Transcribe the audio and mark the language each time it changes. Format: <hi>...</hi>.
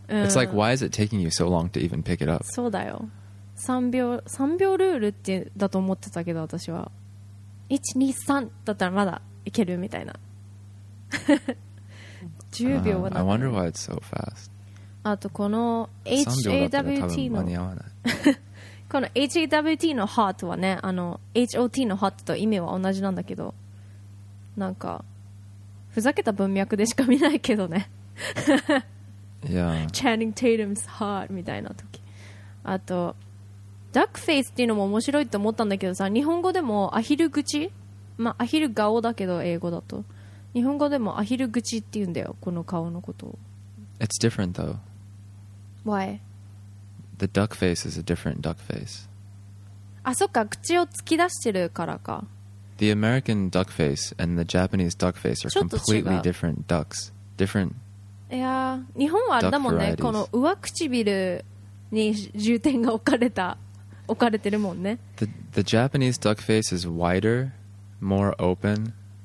<en>It's like, why is it taking you so long to even pick it up?</en> <ja>そうだよ。 3秒ルールってだと思ってたけど、私は 1-2-3 だったらまだいけるみたいな。</ja> <en>I wonder why it's so fast.</en> <ja>あとこの HAWT の間に合わない。この HAWT の HOT はね、あの HOT の HOT と意味は同じなんだけど、なんかふざけた文脈でしか見ないけどね。</ja> <en>Yeah.</en> <ja>Channing Tatum's HOT みたいな時。あと Duck Face っていうのも面白いと思ったんだけどさ、日本語でもアヒル口、まあアヒル顔だけど英語だと。日本語でもアヒル口って言うんだよ、この顔のことを。</ja> <en>It's different though. Why? The duck face is a different duck face.</en> <ja>あ、そっか、口を突き出してるからか。</ja> <en>The American duck face and the Japanese duck face are completely different ducks. Different.</en> <ja>いや、日本はあれだもんね、この上唇に重点が置かれてるもんね。</ja> <en>The Japanese duck face is wider, more open.</en>